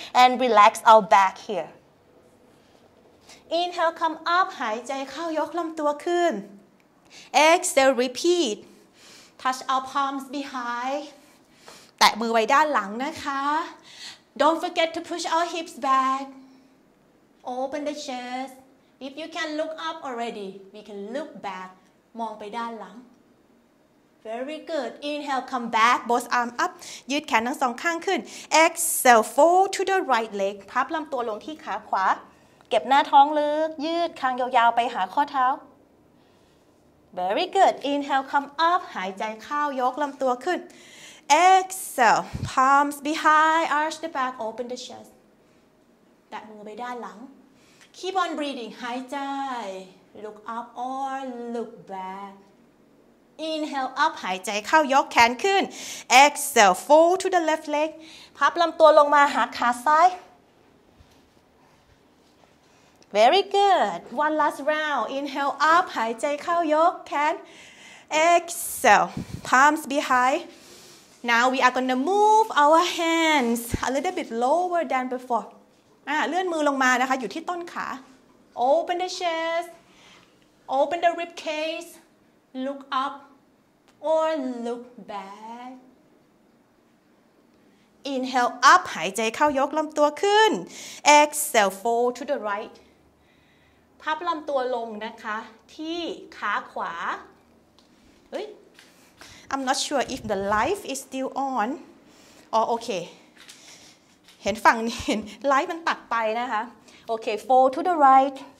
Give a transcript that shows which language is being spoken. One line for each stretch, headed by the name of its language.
English: And relax our back here. Inhale, come up.
Thai: หายใจเข้ายกลำตัวขึ้น
English: Exhale, repeat. Touch our palms behind.
Thai: แตะมือไว้ด้านหลังนะคะ
English: Don't forget to push our hips back. Open the chest. If you can look up already, we can look back.
Thai: มองไปด้านหลัง
English: Very good. Inhale, come back. Both arms up.
Thai: ยืดแขนทั้งสองข้างขึ้น
English: Exhale, fold to the right leg.
Thai: พับลำตัวลงที่ขาขวาเก็บหน้าท้องลึกยืดคางยาวๆไปหาข้อเท้า
English: Very good. Inhale, come up.
Thai: หายใจเข้ายกลำตัวขึ้น
English: Exhale. Palms behind. Arch the back. Open the chest.
Thai: แตะมือไปด้านหลัง
English: Keep on breathing. หายใจ Look up or look back. Inhale, up.
Thai: หายใจเข้ายกแขนขึ้น
English: Exhale. Fold to the left leg.
Thai: พับลำตัวลงมาหักขาซ้าย
English: Very good. One last round. Inhale up.
Thai: หายใจเข้ายกแขน
English: Exhale. Palms behind. Now we are gonna move our hands a little bit lower than before.
Thai: เลื่อนมือลงมานะคะอยู่ที่ต้นขา
English: Open the chest. Open the rib cage. Look up or look back. Inhale up
Thai: หายใจเข้ายกลำตัวขึ้น
English: Exhale fold to the right
Thai: พับลำตัวลงนะคะที่ขาขวาเฮ้ย
English: I'm not sure if the life is still on oh okay
Thai: เห็นฝั่งเห็นไลฟ์มันตัดไปนะคะโอเค
English: fold to the right